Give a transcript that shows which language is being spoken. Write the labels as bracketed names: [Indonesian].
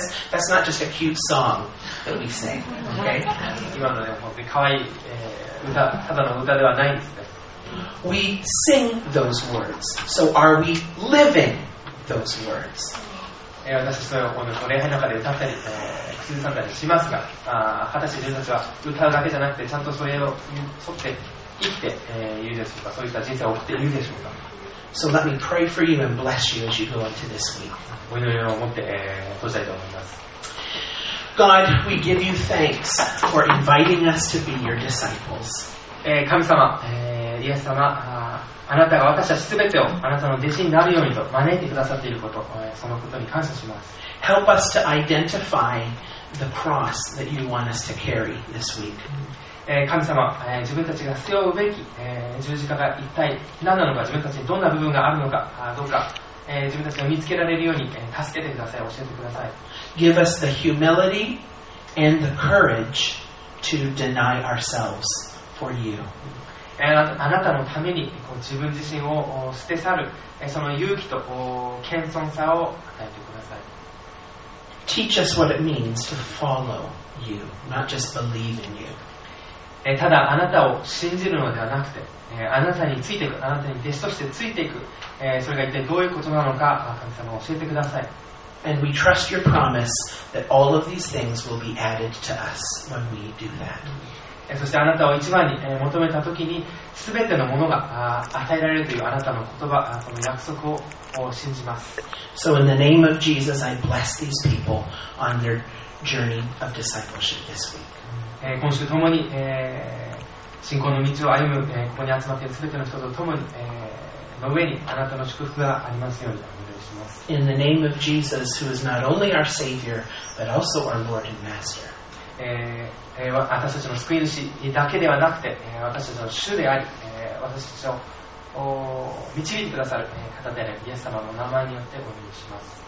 [English] That's not just a cute song that we sing, okay? [Japanese] 今のね、本当に可愛い、歌、ただの歌ではないんですね。 [English] We sing those words. So are we living those words? [Japanese] 私たちはこの礼拝の中で歌ったり、口ずさんだりしますが、二十歳の人たちは歌うだけじゃなくて、ちゃんとそれを沿って生きて、いるでしょうか。そういった人生を送っているでしょうか。 [English] So let me pray for you and bless you as you go into this week. [Japanese] お祈りを持って、閉じたいと思います。 [English] God, we give you thanks for inviting us to be your disciples. [Japanese] 神様、イエス様、あなたが私たちすべてをあなたの弟子になるようにと招いてくださっていること、そのことに感謝します。 [English] Help us to identify the cross that you want us to carry this week. [Japanese] 神様、自分たちが背負うべき、十字架が一体何なのか、自分たちにどんな部分があるのか、どうか、自分たちが見つけられるように、助けてください、教えてください。 [English] Give us the humility and the courage to deny ourselves for you. [Japanese] あなたのために自分自身を捨て去るその勇気と謙遜さを与えてください。 [English] Teach us what it means to follow you, not just believe in you. [Japanese] ただあなたを信じるのではなくて、あなたについていく、あなたに弟子としてついていく、それが一体どういうことなのか、神様教えてください。 [English] And we trust your promise that all of these things will be added to us when we do that. [Japanese] そしてあなたを一番に求めたときに全てのものが与えられるというあなたの言葉この約束を信じます。 [English] So in the name of Jesus, I bless these people on their journey of discipleship this week. [Japanese] 今週ともに信仰の道を歩むここに集まっている全ての人とともにの上にあなたの祝福がありますようにお願いします。 [English] In the name of Jesus, who is not only our Savior, but also our Lord and Master. [Japanese] 私たちの救い主だけではなくて、私たちの主であり、私たちを導いてくださる方であるイエス様の名前によってお祈りします。